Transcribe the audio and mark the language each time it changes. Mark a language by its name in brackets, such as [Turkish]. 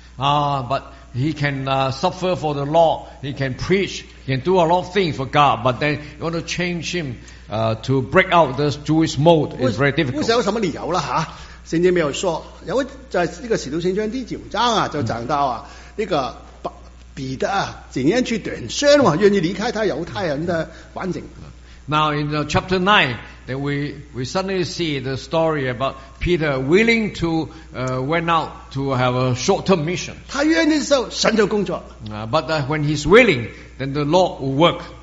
[English] But he can suffer for the law, he can preach, he can do a lot of things for God, but then you want to change him to break out this Jewish mold is very difficult. [Chinese] 不知道有什么理由了，圣经没有说，因为在这个使徒行传第九章就讲到那个彼得竟然去短宣，愿意离开他犹太人的环境。 [English] Now in chapter 9, then we suddenly see the story about Peter willing to went out to have a short-term mission. [Chinese] 他愿意的时候, [English] but when he's willing, then the Lord will work.